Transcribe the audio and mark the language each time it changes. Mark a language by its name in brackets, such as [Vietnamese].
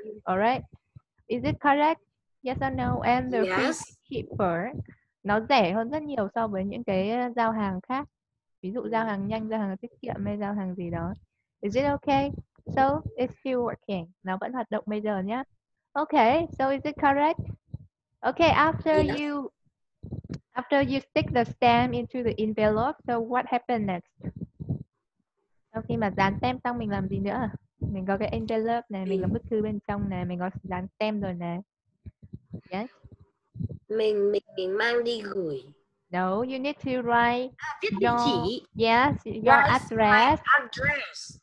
[English] Alright. Is it correct? Yes or no? And the fee Yes. keeper. [Vietnamese] Nó rẻ hơn rất nhiều so với những cái giao hàng khác. Ví dụ giao hàng nhanh, giao hàng tiết kiệm hay giao hàng gì đó. [English] Is it okay? So it's still working. [Vietnamese] Nó vẫn hoạt động bây giờ nhé. [English] Okay, so is it correct? Okay, after you stick the stamp into the envelope, so what happened next? [Vietnamese] Sau khi mà dán tem xong mình làm gì nữa? Mình có cái envelope này, mình có bức thư bên trong này, mình có dán tem rồi này. [English] Yes. [Vietnamese] Mình mang đi gửi. [English] No, you need to write your address, my address